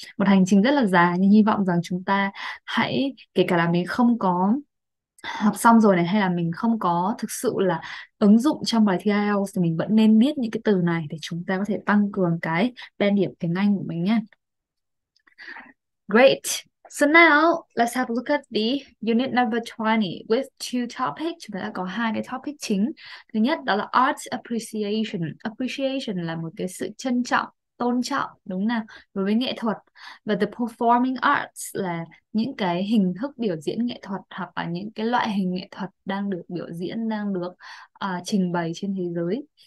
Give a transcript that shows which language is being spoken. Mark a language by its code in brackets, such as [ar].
[vi] Một hành trình rất là dài, nhưng hy vọng rằng chúng ta hãy, kể cả là mình không có học xong rồi này, hay là mình không có thực sự là ứng dụng trong bài thi IELTS, thì mình vẫn nên biết những cái từ này để chúng ta có thể tăng cường cái band điểm tiếng Anh của mình nhé. [en] Great. So now, let's have a look at the unit number 20 with two topics. [vi] Chúng ta đã có hai cái topic chính. Thứ nhất đó là art appreciation. Appreciation là một cái sự trân trọng, tôn trọng, đúng nào, đối với nghệ thuật. Và the performing arts là những cái hình thức biểu diễn nghệ thuật hoặc là những cái loại hình nghệ thuật đang được biểu diễn, đang được trình bày trên thế giới.